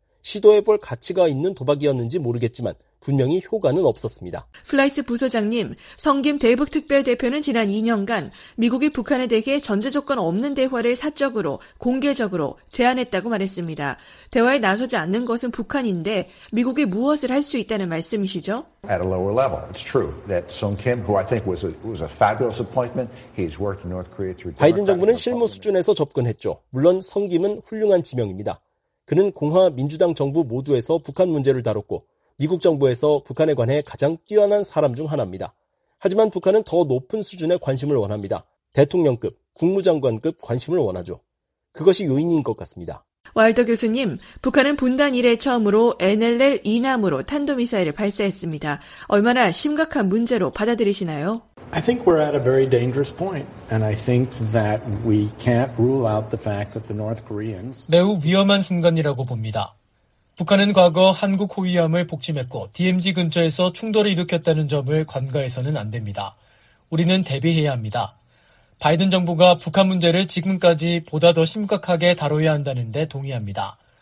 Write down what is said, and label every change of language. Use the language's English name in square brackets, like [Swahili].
[Korean] 시도해볼 가치가 있는 도박이었는지 모르겠지만 분명히 효과는 없었습니다. 플라이츠 부소장님, 성김 대북특별대표는 지난 2년간 미국이 북한에 대해 전제조건 없는 대화를 사적으로, 공개적으로 제안했다고 말했습니다. 대화에 나서지 않는 것은 북한인데 미국이 무엇을 할 수 있다는 말씀이시죠? [English] At a lower level, it's true that Song Kim, who I think was a fabulous appointment, he's worked in North Korea through. [Korean] 바이든 정부는 실무 수준에서 접근했죠. 물론 성김은 훌륭한 지명입니다. 그는 공화 민주당 정부 모두에서 북한 문제를 다뤘고 미국 정부에서 북한에 관해 가장 뛰어난 사람 중 하나입니다. 하지만 북한은 더 높은 수준의 관심을 원합니다. 대통령급, 국무장관급 관심을 원하죠. 그것이 요인인 것 같습니다. 와일더 교수님, 북한은 분단 이래 처음으로 NLL 이남으로 탄도미사일을 발사했습니다. 얼마나 심각한 문제로 받아들이시나요? [English] I think we're at a very dangerous point, and I think that we can't rule out the fact that the North Koreans [Korean] 매우 위험한 순간이라고 봅니다. 북한은 과거 한국 호위함을 복침했고 DMZ 근처에서 충돌을 일으켰다는 점을 간과해서는 안 됩니다. 우리는 대비해야 합니다. 바이든 정부가 북한 문제를 지금까지 보다 더 심각하게 다뤄야 한다는데 동의합니다.